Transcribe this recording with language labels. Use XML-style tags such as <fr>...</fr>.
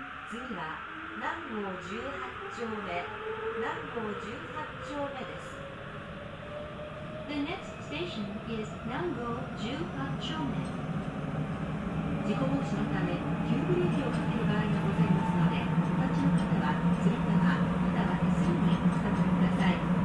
<ja>次は南郷18丁目、南郷18丁目です。</ja> <en>The next station is 南郷18丁目。</en> <ja>事故防止のため急ブレーキをかける場合がございますので、お立ちの方は釣り方または手すりにお立ちください。</ja>